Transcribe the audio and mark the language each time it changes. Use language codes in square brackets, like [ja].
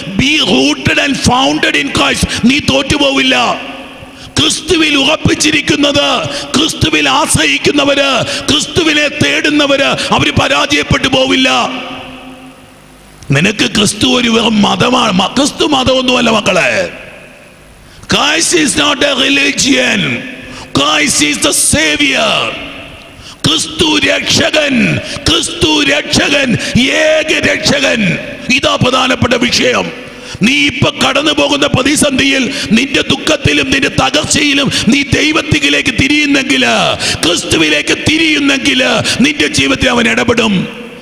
[en] be rooted and founded in Christ, [ml] നീ തോറ്റുപോവില്ല. ക്രിസ്തുവിൽ ഉറപ്പിച്ചിരിക്കുന്നത്, ക്രിസ്തുവിൽ ആശ്രയിക്കുന്നവര്, ക്രിസ്തുവിനെ തേടുന്നവര്, അവര് പരാജയപ്പെട്ടു പോവില്ല. നിനക്ക് ക്രിസ്തു ഒരു മതമാണ്, ക്രിസ്തു മതമൊന്നുമല്ല മക്കളെ. [en] Christ is not a religion. Christ is the savior. [ml] ക്രിസ്തു രക്ഷകൻ, ക്രിസ്തു രക്ഷകൻ, ഏക രക്ഷകൻ. ഇതാ പ്രധാനപ്പെട്ട വിഷയം. നീ ഇപ്പൊ കടന്നു പോകുന്ന പ്രതിസന്ധിയിൽ, നിന്റെ ദുഃഖത്തിലും നിന്റെ തകർച്ചയിലും നീ ദൈവത്തിലേക്ക് തിരിയുന്നെങ്കിൽ, ക്രിസ്തുവിലേക്ക് തിരിയുന്നെങ്കിൽ, നിന്റെ ജീവിതത്തിൽ അവൻ ഇടപെടും.